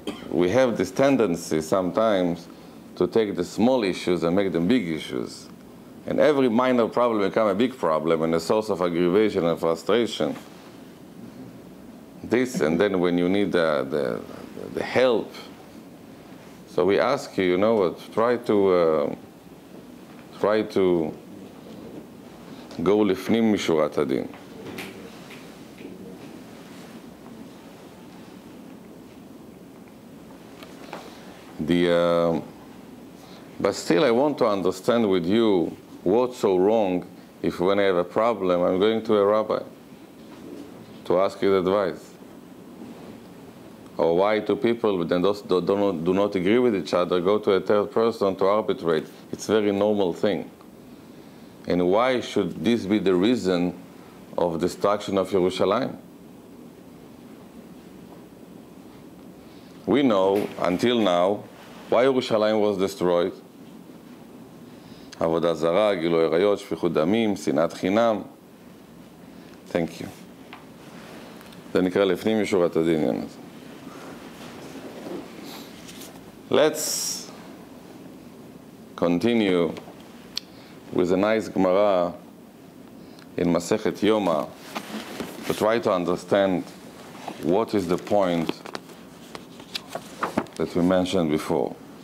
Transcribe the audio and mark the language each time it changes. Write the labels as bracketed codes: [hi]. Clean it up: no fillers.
[en] We have this tendency sometimes to take the small issues and make them big issues. And every minor problem becomes a big problem and a source of aggravation and frustration. This, and then when you need the help. So we ask you, you know what, try to go [he] לפנים משורת הדין. [en] The But still I want to understand with you what's so wrong if when I have a problem I'm going to a rabbi to ask his advice. Or why two people then do not agree with each other go to a third person to arbitrate. It's a very normal thing. And why should this be the reason of destruction of Jerusalem? We know until now why Jerusalem was destroyed. [he] עבודה זרה, גילוי עריות, שפיכות דמים, שנאת חינם. [en] Thank you. [he] זה נקרא לפנים משורת הדין. [en] Let's continue with a nice Gemara in Masechet Yoma to try to understand what is the point that we mentioned before.